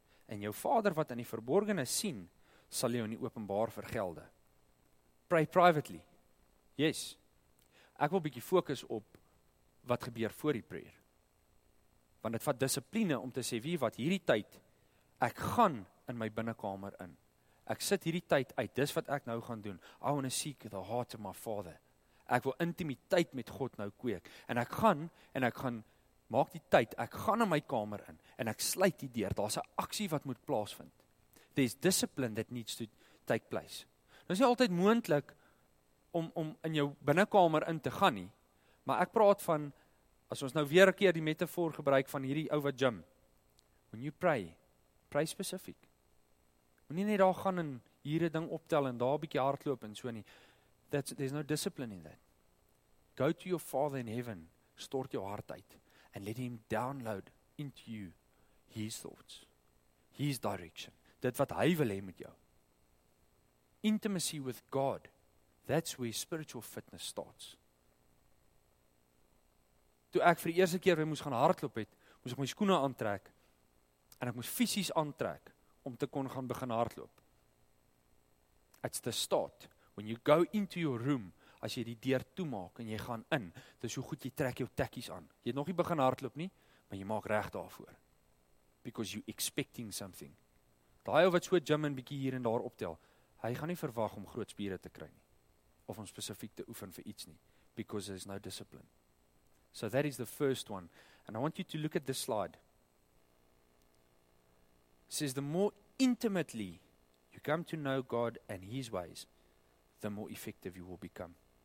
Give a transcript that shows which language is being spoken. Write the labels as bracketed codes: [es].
[af] En jou Vader wat in die verborgene sien, sal jou in die openbaar vergelde. [en] Pray privately. Yes. [af] Ek wil 'n bietjie fokus op wat gebeur voor die prayer. Want dit vat dissipline om te sê, wie wat hierdie tyd, ek gaan in my binnekamer in. Ek sit hierdie tyd uit, dis wat ek nou gaan doen. [en] I want to seek the heart of my Father. [af] Ek wil intimiteit met God nou kweek. En ek gaan maak die tyd, ek gaan in my kamer in, en ek sluit die deur. Daar's 'n aksie wat moet plaasvind. [en] There's discipline that needs to take place. [af] Nou is nie altyd moontlik om in jou binnekamer in te gaan nie, maar ek praat van, as ons nou weer 'n keer die metafoor gebruik van hierdie ou wat gym, [en] when you pray, pray specific. [af] Moenie net daar gaan en hierdie ding optel en daar 'n bietjie hardloop en so nie. [en] There's no discipline in that. Go to your Father in heaven, [af] stort jou hart uit, [en] and let him download into you his thoughts, his direction, [af] dit wat hy wil hê met jou. [en] Intimacy with God, that's where spiritual fitness starts. [af] Toe ek vir die eerste keer moes gaan hardloop het, moes ek my skoene aantrek, en ek moes fisies aantrek, om te kon gaan begin hardloop. [en] It's the start. When you go into your room, [af] as jy die deur toemaak en jy gaan in, dis hoe goed jy trek jou tekkies aan. Jy het nog nie begin hardloop nie, maar jy maak reg daarvoor. [en] Because you're expecting something. [af] Daai ou wat so gym en bietjie hier en daar optel, hy gaan nie verwag om groot spiere te kry nie. Of om spesifiek te oefen vir iets nie. [en] Because there's no discipline. So that is the first one. And I want you to look at this slide. It says the more intimately you come to know God and His ways, the more effective you will become.